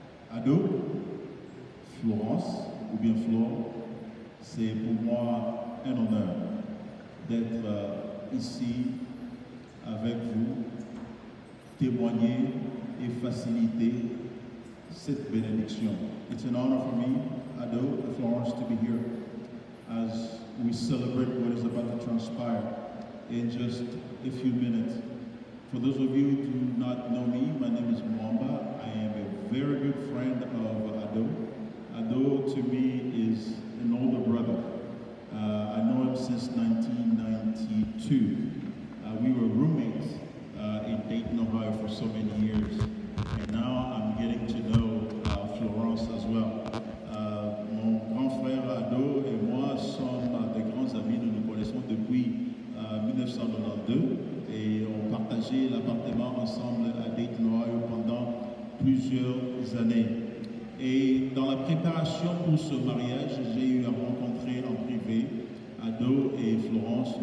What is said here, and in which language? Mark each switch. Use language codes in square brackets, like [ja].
[fr] Ado, Florence, ou bien Flore, c'est pour moi un honneur d'être ici avec vous, témoigner et faciliter cette bénédiction. [en] It's an honor for me, Ado and Florence, to be here as we celebrate what is about to transpire in just a few minutes. For those of you who do not know me, my name is Mwamba. I am a very good friend of Ado. Ado, to me, is an older brother. I know him since 1992. We were roommates in Dayton, Ohio for so many years. And now I'm getting to know Florence as well. [fr] Mon grand frère Ado et moi sommes des grands amis. Nous nous connaissons depuis 1992. Et on partageait l'appartement ensemble à Dayton, Ohio pendant plusieurs années. Et dans la préparation pour ce mariage, j'ai eu à rencontrer en privé Ado et Florence.